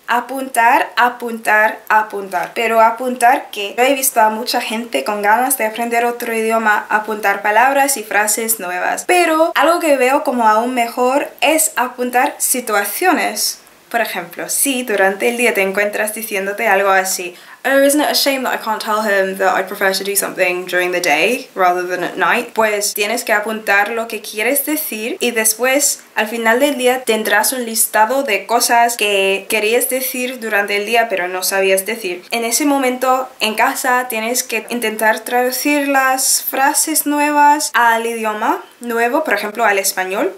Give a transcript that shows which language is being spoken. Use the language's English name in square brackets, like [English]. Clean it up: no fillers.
[Spanish] Apuntar, apuntar, apuntar. Pero apuntar que yo he visto a mucha gente con ganas de aprender otro idioma apuntar palabras y frases nuevas. Pero algo que veo como aún mejor es apuntar situaciones. Por ejemplo, si durante el día te encuentras diciéndote algo así, [English] oh, isn't it a shame that I can't tell him that I'd prefer to do something during the day rather than at night? [Spanish] Pues tienes que apuntar lo que quieres decir y después, al final del día, tendrás un listado de cosas que querías decir durante el día pero no sabías decir. En ese momento, en casa, tienes que intentar traducir las frases nuevas al idioma nuevo, por ejemplo, al español.